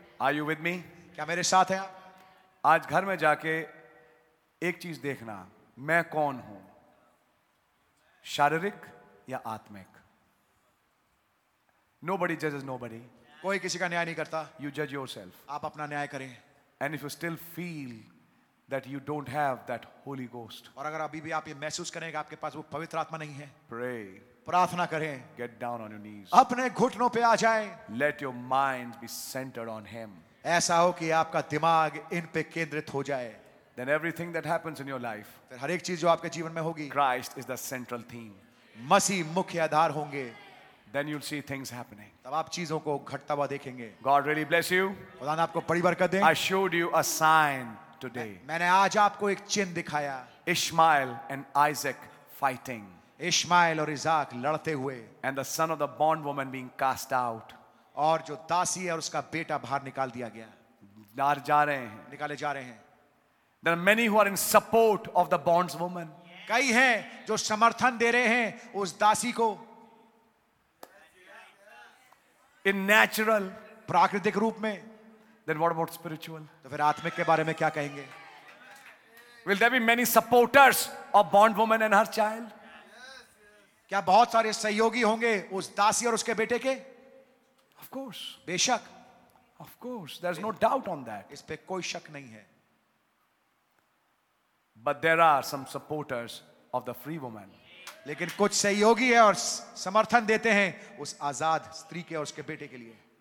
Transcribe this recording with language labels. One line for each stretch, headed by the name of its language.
English: Are you with me?
Hindi: क्या मेरे साथ हैं आप? आज घर में जाके एक चीज देखना. मैं कौन हूं? शारीरिक या आत्मिक?
English: Nobody judges nobody.
Hindi: कोई किसी का न्याय नहीं करता.
English: You judge yourself.
Hindi: आप अपना न्याय करें.
English: And if you still feel that you don't have that Holy Ghost,
Hindi: और अगर अभी भी आप ये महसूस करेंगे आपके पास वो पवित्र आत्मा नहीं है,
English: pray,
Hindi: प्रार्थना करें,
English: get down on your knees,
Hindi: अपने घुटनों पे आ जाएं,
English: let your mind be centered on Him,
Hindi: ऐसा हो कि आपका दिमाग इन पे केंद्रित हो जाए,
English: then everything that happens in your life,
Hindi: फिर हर एक चीज जो आपके जीवन में होगी,
English: Christ is the central theme,
Hindi: मसीह मुख्य आधार होंगे.
English: Then you'll see things happening.
Hindi: तब आप चीजों को घटता हुआ देखेंगे.
English: God really bless you.
Hindi: खुदा ने आपको बड़ी बरकत दे.
English: I showed you a sign today.
Hindi: मैंने आज आपको एक चिन्ह दिखाया.
English: Ishmael and Isaac fighting.
Hindi: Ishmael और इज़ाक लड़ते हुए.
English: And the son of the bond woman being cast out.
Hindi: और जो दासी है और उसका बेटा बाहर निकाल दिया गया. नार जा रहे हैं. निकाले जा रहे हैं.
English: There are many who are in support of the bonds woman.
Hindi: कई हैं जो समर्थन दे रहे हैं उस दासी को.
English: In natural,
Hindi: प्राकृतिक रूप में.
English: Then what about spiritual?
Hindi: तो फिर आत्मिक के बारे में क्या कहेंगे?
English: Will there be many supporters of bond woman and her child? Yes, yes.
Hindi: क्या बहुत सारे सहयोगी होंगे उस दासी और उसके बेटे के?
English: Of course.
Hindi: बेशक.
English: Of course. There's no doubt on that.
Hindi: इस पे कोई शक नहीं है.
English: But there are some supporters of the free woman.
Hindi: लेकिन कुछ सहयोगी है और समर्थन देते हैं उस आजाद स्त्री के और उसके बेटे के लिए.